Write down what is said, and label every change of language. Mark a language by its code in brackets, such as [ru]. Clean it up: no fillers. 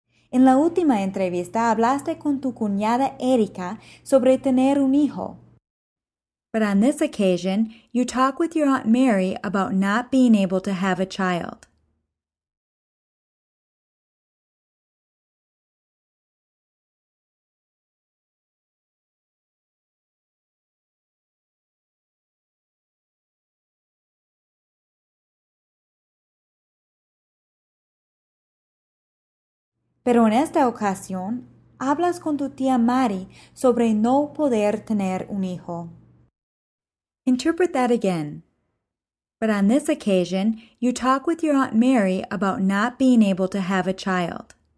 [es] En la última entrevista, hablaste con tu cuñada Erika sobre tener un hijo. [en] But on this occasion, you talk with your Aunt Mary about not being able to have a child. [es] Pero en esta ocasión, hablas con tu tía Mari sobre no poder tener un hijo. [en] Interpret that again. But on this occasion, you talk with your Aunt Mary about not being able to have a child.